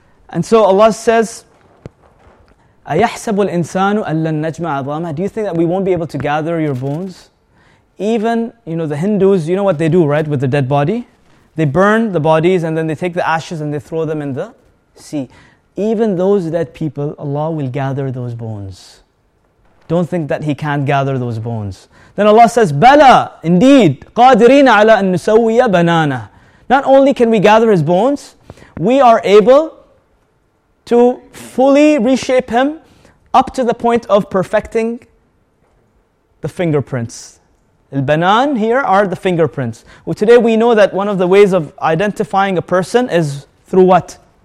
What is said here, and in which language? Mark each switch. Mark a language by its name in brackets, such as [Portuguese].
[English] And so Allah says, [Arabic] أَيَحْسَبُ الْإِنسَانُ أَلَّن نَجْمَعَ عَظَامَهُ. [English] Do you think that we won't be able to gather your bones? Even, you know, the Hindus, you know what they do, right, with the dead body? They burn the bodies and then they take the ashes and they throw them in the sea. Even those dead people, Allah will gather those bones. Don't think that he can't gather those bones. Then Allah says, Bala, indeed, [Arabic] قادرين على أن نسوي بنانا. [English] Not only can we gather his bones, we are able to fully reshape him up to the point of perfecting the fingerprints. Al-banan here are the fingerprints. Well, today we know that one of the ways of identifying a person is through what?